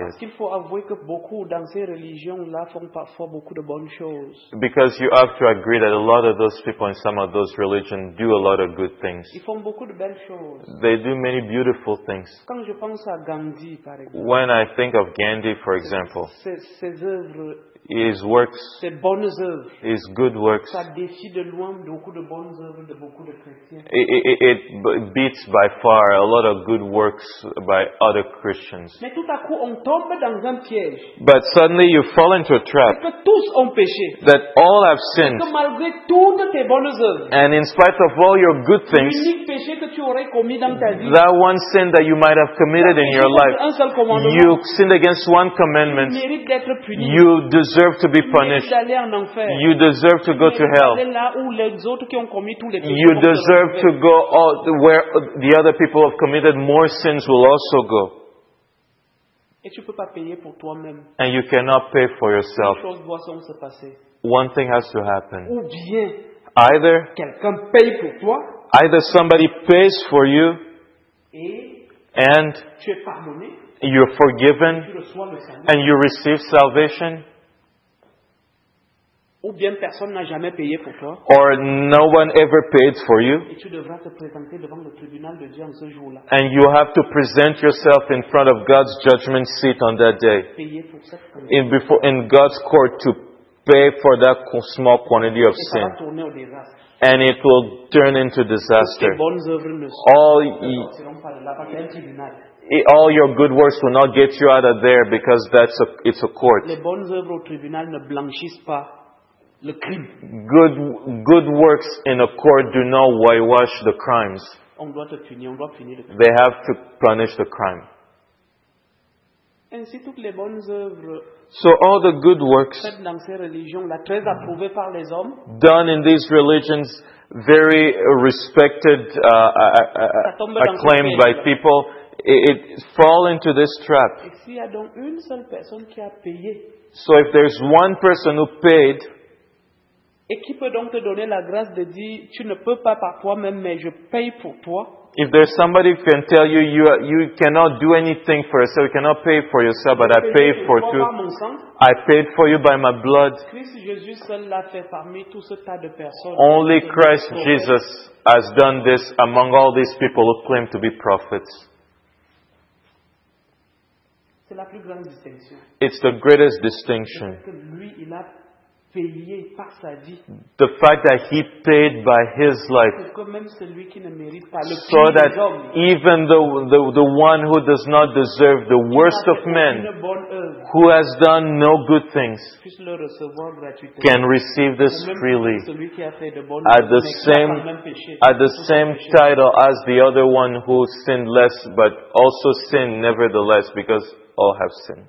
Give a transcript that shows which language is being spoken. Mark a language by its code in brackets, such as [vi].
[fr] Parce qu'il faut avouer que beaucoup dans ces religions-là font parfois beaucoup de bonnes choses. [en] Because you have to agree that a lot of those people in some of those religions do a lot of good things. [fr] Ils font beaucoup de belles choses. [en] They do many beautiful things. [fr] Quand je pense à Gandhi, par exemple. [en] When I think of Gandhi, for example. [fr] Ses œuvres. [en] His works. [fr] Ses bonnes œuvres. [en] His good works. [fr] Ça défie de loin beaucoup de bonnes œuvres de beaucoup de chrétiens. [en] It beats by far a lot of good works by other Christians. [fr] Mais tout à coup, on tombe dans un piège. [en] But suddenly you fall into a trap. [fr] Que tous ont péché. [en] That all have sinned. [fr] Que malgré toutes tes bonnes œuvres. [en] And in spite of all your good things. [fr] L'unique péché que tu aurais commis dans ta vie. [en] That one sin that you might have committed in your life. [fr] Un seul commandement. [en] You sinned against one commandment. [fr] Tu mérites d'être puni. [en] You deserve to be punished. You deserve to go to hell. You deserve to go where the other people have committed more sins will also go. And you cannot pay for yourself. One thing has to happen. Either somebody pays for you and you're forgiven and you receive salvation. [fr] Ou bien personne n'a jamais payé pour toi. [en] Or no one ever paid for you. [fr] Et tu devras te présenter devant le tribunal de Dieu en ce jour-là. [en] And you have to present yourself in front of God's judgment seat on that day. [fr] Payé pour cette [en] quantité. In God's court to pay for that small quantity of sin. [fr] Et ça va tourner au désastre. [en] And it will turn into disaster. [fr] Et tes bonnes œuvres ne seront pas là parce qu'il y a un tribunal. [en] All your good works will not get you out of there because it's a court. [fr] Les bonnes œuvres au tribunal ne blanchissent pas. Le crime. [en] Good works in a court do not whitewash the crimes. [fr] On doit te punir, on doit punir le crime. [en] They have to punish the crime. [fr] Ainsi, toutes les bonnes œuvres, [en] so all the good works [fr] faites dans ces religions-là, très approuvées par les hommes, [en] done in these religions, very respected, acclaimed by people, it fall into this trap. [fr] Et s'il y a donc une seule personne qui a payé, [en] so if there's one person who paid, [fr] et qui peut donc te donner la grâce de dire tu ne peux pas par toi-même mais je paye pour toi. [en] If there's somebody who can tell you you cannot do anything for yourself, you cannot pay for yourself, but I pay for you. I paid for you by my blood. [fr] Christ Jésus seul l'a fait parmi tout ce tas de personnes. [en] Only Christ Jesus has done this among all these people who claim to be prophets. [fr] C'est la plus grande distinction. [en] It's the greatest distinction. [fr] Lui, il a payé par sa vie. [en] The fact that he paid by his life. So that even the one who does not deserve the worst of men, who has done no good things, can receive this freely at the same title as the other one who sinned less but also sinned nevertheless because all have sinned.